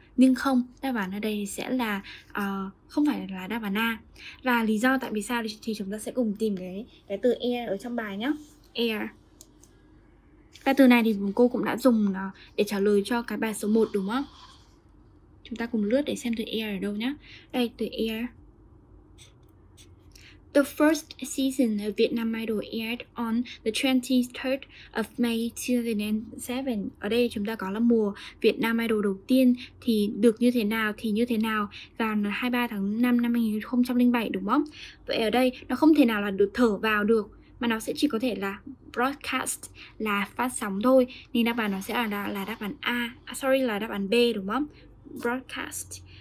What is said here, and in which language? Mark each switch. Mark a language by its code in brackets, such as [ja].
[vi] Nhưng không, đáp án ở đây sẽ là không phải là đáp án A. Và lý do tại vì sao thì chúng ta sẽ cùng tìm cái từ air ở trong bài nhé. Air. Và từ này thì cô cũng đã dùng để trả lời cho cái bài số 1 đúng không? Chúng ta cùng lướt để xem từ air ở đâu nhé. Đây, từ air. [en] The first season of Vietnam Idol aired on the 23rd of May 2007. [vi] Ở đây chúng ta có là mùa Vietnam Idol đầu tiên thì được như thế nào thì như thế nào, và 23 tháng 5 năm 2007 đúng không? Vậy ở đây nó không thể nào là được thở vào được, mà nó sẽ chỉ có thể là broadcast, là phát sóng thôi. Nên đáp án nó sẽ là đáp án A, sorry, là đáp án B đúng không? Broadcast.